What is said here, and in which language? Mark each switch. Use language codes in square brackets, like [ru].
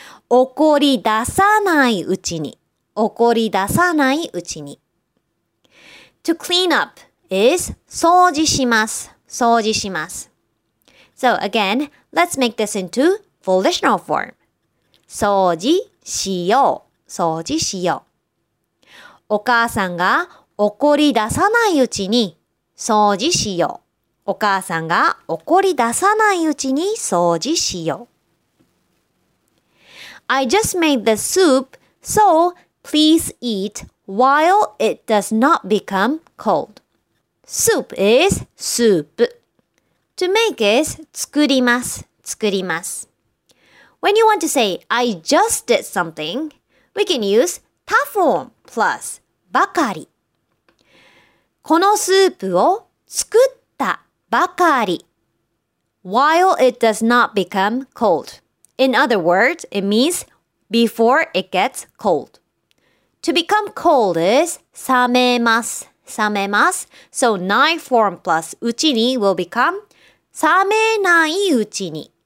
[ja] 怒り出さないうちに。怒り出さないうちに。 [en] To clean up is [ja] 掃除します。掃除します。 [en] So again, let's make this into volitional form. [ja] 掃除しよう、掃除しよう。お母さんが怒り出さないうちに掃除しよう。お母さんが怒り出さないうちに掃除しよう。 [en] I just made the soup, so please eat while it does not become cold. Soup is soup. To make is [ja] 作ります、作ります。 [en] When you want to say, I just did something, we can use タフォン plus [ja] ばかり。このスープを作ったばかり。 [en] While it does not become cold. In other words, it means before it gets cold. To become cold is [ja] 冷めます。samemasu. [en] So, nai form plus uchi ni will become samenai uchi ni.